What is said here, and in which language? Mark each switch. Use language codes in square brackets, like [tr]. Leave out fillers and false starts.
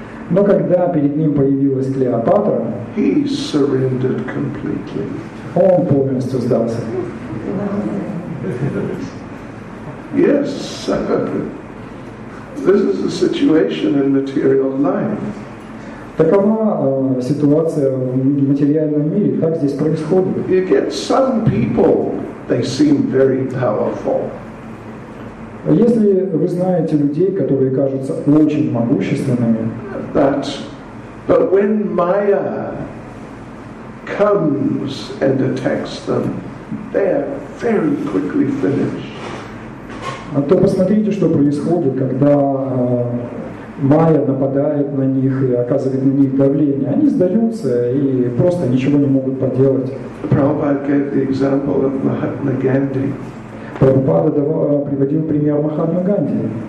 [ru] но когда перед ним появилась Клеопатра, [en] he surrendered completely. [ru] Он полностью сдался. [en] Yes, this is the situation in material life. [ru] Такова ситуация в материальном мире, так здесь происходит. [en] You get some people, they seem very powerful. [ru] Если вы знаете людей, которые кажутся очень могущественными, [en] but when Maya comes and attacks them, they are very quickly finished. [ru] А то посмотрите, что происходит, когда майя нападает на них и оказывает на них давление, они сдаются и просто ничего не могут поделать. [en] Prabhupada gave the example of Mahatma Gandhi. [ru] Прабхупада приводил пример Махатмы Ганди.